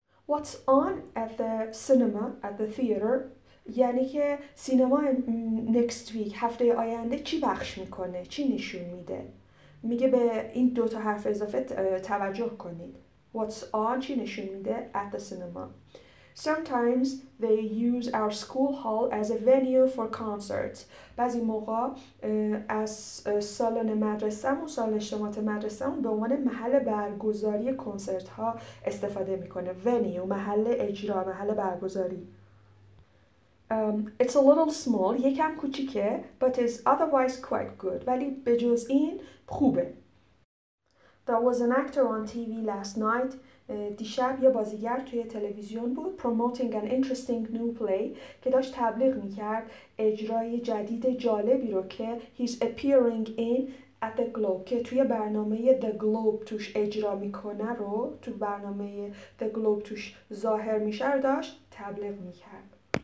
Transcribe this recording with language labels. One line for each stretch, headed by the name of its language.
English: What's on at the cinema, at the theater,
Persian: یعنی که سینما
English: next week,
Persian: هفته آینده چی پخش میکنه, چی نشون میده. میگه به این دوتا حرف اضافه توجه کنید.
English: What's on,
Persian: چی نشون میده,
English: at the cinema. Sometimes they use our school hall as a venue for concerts.
Persian: بعضی موقع از سالن مدرسه‌مون, سالن اجتماعات مدرسه‌مون به عنوان محل برگزاری کنسرت ها استفاده میکنه. Venue, محل اجرا, محل برگزاری.
English: It's a little small,
Persian: یکم کوچیکه,
English: but is otherwise quite good.
Persian: ولی به جز این خوبه.
English: There was an actor on TV last night.
Persian: دیشب یه بازیگر توی تلویزیون بود,
English: promoting an interesting new play,
Persian: که داشت تبلیغ میکرد اجرای جدید جالبی رو که
English: he's appearing in at the Globe,
Persian: که توی برنامه The Globe توش اجرا میکنه رو, تو برنامه The Globe توش ظاهر میشه رو داشت تبلیغ میکرد.